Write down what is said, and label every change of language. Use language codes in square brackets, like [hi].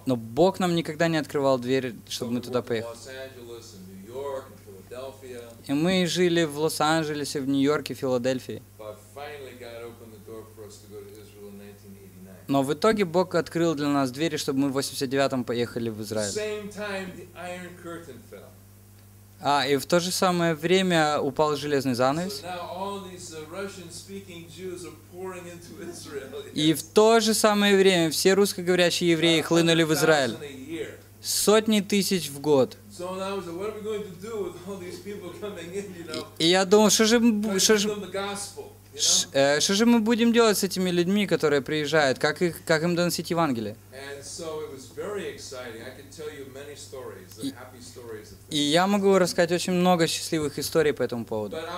[ru] Но Бог нам никогда не открывал дверь, чтобы мы туда поехали. [en] Los Angeles, in New York, in Philadelphia. [ru] И мы жили в Лос-Анджелесе, в Нью-Йорке, в Филадельфии. [en] But finally God opened the door for us to go to Israel in 1989. [ru] Но в итоге Бог открыл для нас двери, чтобы мы в 89-м поехали в Израиль. [en] Same time the Iron Curtain fell. [ru] А, и в то же самое время упал железный занавес. [en] So now all these Russian-speaking Jews are pouring into Israel. [ru] И в то же самое время все русскоговорящие евреи хлынули в Израиль. Сотни тысяч в год. [en] So now I said, what are we going to do with all these people coming in, you know? [ru] И я думал, что же мы будем делать с этими людьми, которые приезжают? Как им доносить Евангелие? [en] And so it was very exciting. I can tell you many stories, the happy stories. [ru] И я могу рассказать очень много счастливых историй по этому поводу.